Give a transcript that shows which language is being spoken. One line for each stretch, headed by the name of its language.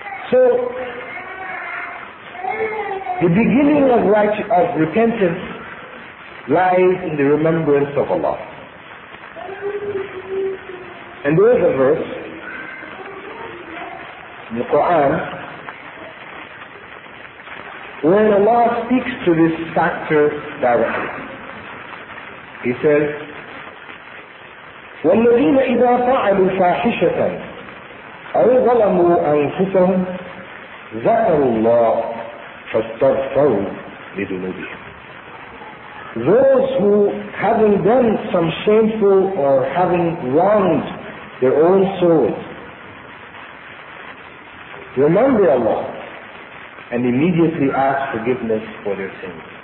English: So, the beginning of repentance lies in the remembrance of Allah. And there is a verse in the Quran where Allah speaks to this factor directly. He says,
Arabic: والذين إذا فعلوا فاحشة أو ظلموا أنفسهم ذكروا الله فاستغفروا لذنوبهم.
English: Those who, having done some shameful or having wronged their own souls, remember Allah and immediately ask forgiveness for their sins.